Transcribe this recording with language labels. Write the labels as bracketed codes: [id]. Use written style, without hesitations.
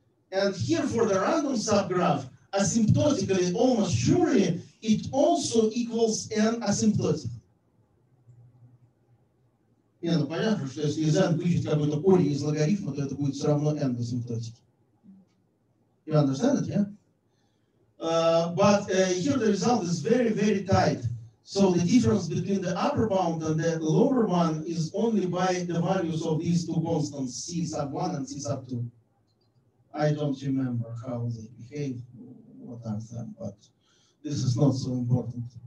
[en] And here for the random subgraph, asymptotically, almost surely, it also equals n asymptotically. [ru] Не, ну понятно, что если из n вычесть какой-то корень из логарифма, то это будет все равно n асимптотики. [en] You understand it, yeah? But here the result is very, very tight. So the difference between the upper bound and the lower one is only by the values of these two constants, c sub 1 and c sub 2. I don't remember how they behave, what are them, but this is not so important.